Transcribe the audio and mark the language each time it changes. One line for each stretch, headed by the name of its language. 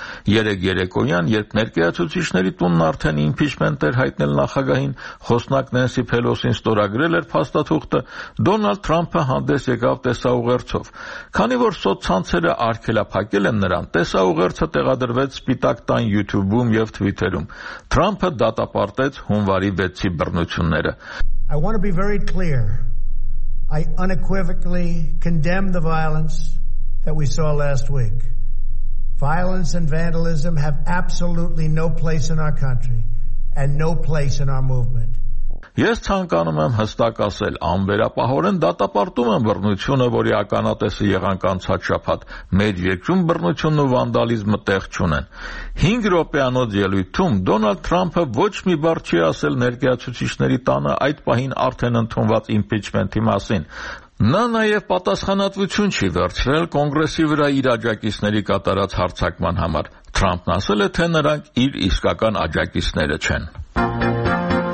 Armenian: Երեկ երեկոյան, երբ ներկայացուցիչների տունն արդեն իմպիչմենթ էր հայտնել նախագահին, խոսնակ Նենսի Փելոսին ստորագրել էր փաստաթուղթը, Դոնալդ Թրամփը հանդես եկավ տեսաուղերձով։ Քանի որ սոցցանցերը արգելափակել են նրան, տեսաուղերձը տեղադրվեց Սպիտակ տան YouTube-ում եւ Twitter-ում։ Թրամփը դատապարտեց հունվարի 6-ի բռնությունները։
English: I want to be very clear. I unequivocally condemn the violence that we saw last week. Violence and vandalism have absolutely no place in our country and no place in our movement.
Armenian: Ես ցանկանում եմ հստակ ասել, անվերապահորեն դատապարտում եմ բռնությունը, որի ականատեսը եղանք անցած շաբաթ։ Մեր երկրում բռնությունն ու վանդալիզմը տեղ չունեն։ 5 րոպեանոց ելույթում Դոնալդ Թրամփը ոչ մի բառ չի ասել ներկայացուցիչների տանը այդ պահին արդեն ընդունված իմպիչմենթի մասին։ Նա նաև պատասխանատվություն չի վերցրել կոնգրեսի վրա իր աջակիցների կատարած հարձակման համար։ Թրամփն ասել է, թե նրանք իր իսկական աջակիցները չեն։